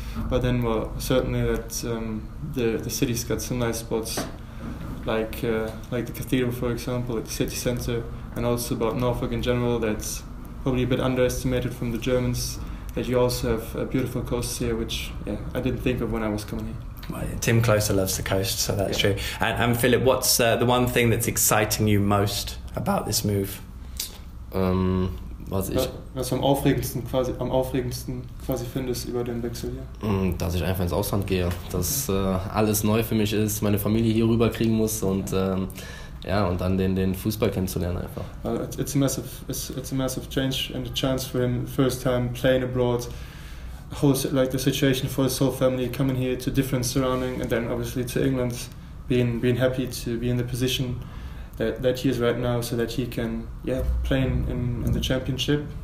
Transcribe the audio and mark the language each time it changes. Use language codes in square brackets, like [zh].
[en] But then, well, certainly that the city's got some nice spots, like the cathedral, for example, at the city centre, and also about Norfolk in general, that's probably a bit underestimated from the Germans. That you also have a beautiful coast here, which I didn't think of when I was coming here. Well, Tim Closer loves the coast, so that's true. And Philip, what's the one thing that's exciting you most about this move? [de] was ich was am aufregendsten quasi findest über den Wechsel hier? Dass ich einfach ins Ausland gehe, dass alles neu für mich ist, meine Familie hier rüber kriegen muss und ja, und dann den Fußball kennenzulernen einfach. [en] Well, it's a massive change and a chance for him, first time playing abroad. The situation for his whole family coming here to different surrounding and then obviously to England, being happy to be in the position that he is right now, so that he can play in the championship